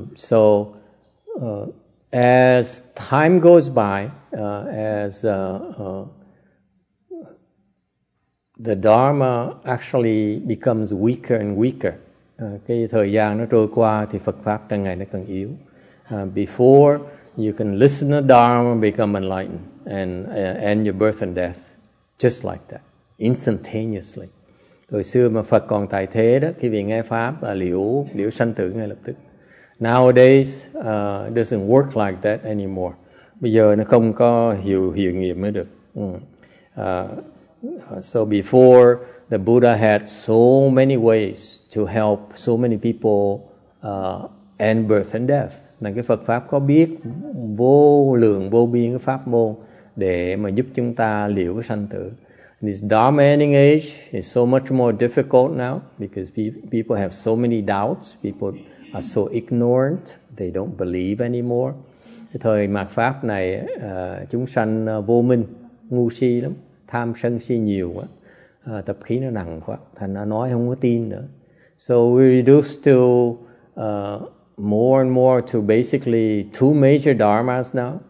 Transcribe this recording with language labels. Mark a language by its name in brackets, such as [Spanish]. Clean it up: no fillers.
[English] So as time goes by, the Dharma actually becomes weaker and weaker. [Vietnamese] Cái thời gian nó trôi qua thì Phật pháp càng ngày nó càng yếu. [English] Before you can listen to Dharma and become enlightened and end your birth and death. Just like that, instantaneously. [Vietnamese] Hồi xưa mà Phật còn tại thế đó, khi vị nghe pháp là liễu sanh tử ngay lập tức. [English] Nowadays, doesn't work like that anymore. [Vietnamese] Bây giờ nó không có hiệu nghiệm mới được. [English] So before, the Buddha had so many ways to help so many people end birth and death. [Vietnamese] Nên cái Phật pháp có biết vô lượng vô biên cái pháp môn để mà giúp chúng ta liễu cái sanh tử. [English] This dominating age is so much more difficult now because people have so many doubts. People are so ignorant. They don't believe anymore. [Vietnamese] Cái thời mạt pháp này, chúng sanh vô minh, ngu si lắm, tham sân si nhiều quá, tập khí nó nặng quá, thành nó nói không có tin nữa. [English] So we reduce to more and more to basically two major dharmas now.